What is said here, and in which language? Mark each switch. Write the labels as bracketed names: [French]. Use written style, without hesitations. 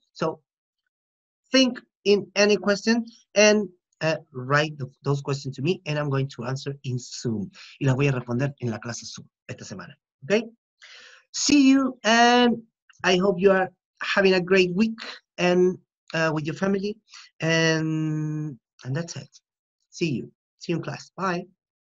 [English] So, think in any question and write those questions to me and I'm going to answer in Zoom. [Spanish] Y las voy a responder en la clase Zoom esta semana. [English] Okay? See you, and I hope you are having a great week and with your family, and that's it. See you in class. Bye.